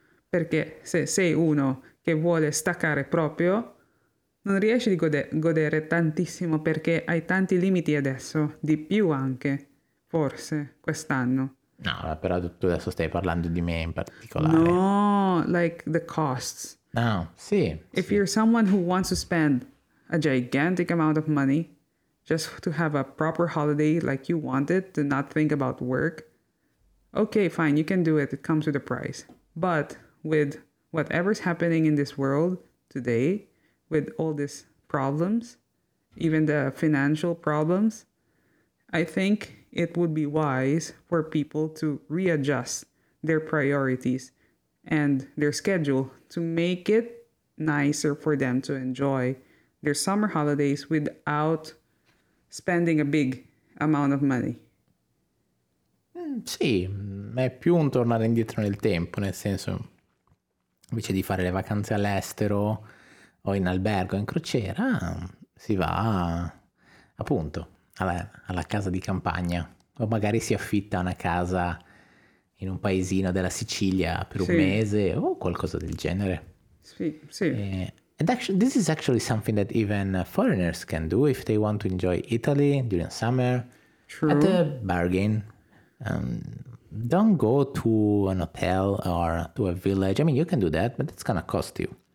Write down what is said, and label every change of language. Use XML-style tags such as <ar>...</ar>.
<it>Perché se sei uno che vuole staccare proprio, non riesci di godere tantissimo perché hai tanti limiti adesso, di più anche, forse, quest'anno. No, però tu adesso stai parlando di me in particolare.</it> <en>No, like the costs.</en> <it>No, sì.</it> <en>If</en> <it>sì.</it> <en>You're someone who wants to spend a gigantic amount of money just to have a proper holiday like you wanted, to not think about work, okay, fine, you can do it, it comes with a price. But with whatever's happening in this world today, with all these problems, even the financial problems, I think it would be wise for people to readjust their priorities and their schedule to make it nicer for them to enjoy their summer holidays without spending a big amount of money.</en> <it>Sì, è più un tornare indietro nel tempo, nel senso, invece di fare le vacanze all'estero o in albergo, in crociera, si va appunto alla casa di campagna, o magari si affitta una casa in un paesino della Sicilia per un mese o qualcosa del genere. Sì.</it> <en>And actually, this is actually something that even foreigners can do if they want to enjoy Italy during summer. True. At a bargain. Don't go to an hotel or to a village. I mean, you can do that, but it's going to cost you.</en>